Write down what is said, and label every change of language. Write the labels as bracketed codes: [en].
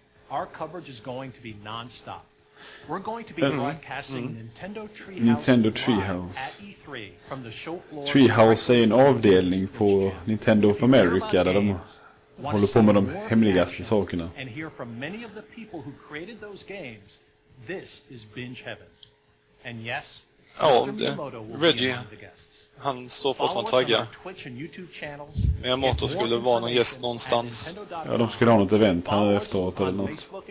[en] Our coverage is going to be non-stop. We're going to be broadcasting Nintendo Treehouse at E3 from the show floor. [sv] Treehouse är en avdelning på Nintendo of America där de håller på med de hemligaste sakerna. [en] And hear from many of the people who created those games. This is binge heaven. And yes, [sv] Ja, Reggie, han står fortfarande taggad. Men Miyamoto skulle vara någon gäst någonstans. Ja, de skulle ha något event här efteråt eller något.